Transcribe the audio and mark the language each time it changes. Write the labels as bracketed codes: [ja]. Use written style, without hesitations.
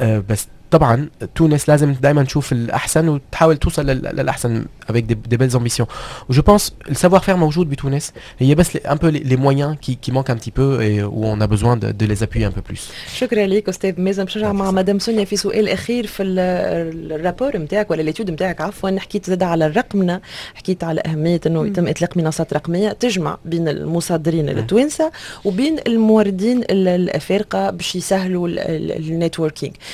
[ar] بس طبعا تونس لازم دائما تشوف الأحسن وتحاول توصل للأحسن [fr] avec des belles ambitions. Je pense le savoir-faire [ar] موجود بتونس، هي بس [fr] un peu les moyens qui manquent un petit peu et où on a besoin de les appuyer un peu plus. [ar] شكرا لك استاذ مازن. باش نرجع مع مدام سونيا في سؤال اخير في الرابور نتاعك ولا الاتيود نتاعك، عفوا حكيت زاد على الرقمنه، حكيت على اهميه انه يتم اطلاق منصات رقميه تجمع بين المصدرين التوانسه وبين الموردين الافارقه باش يسهلوا النيتوركينغ.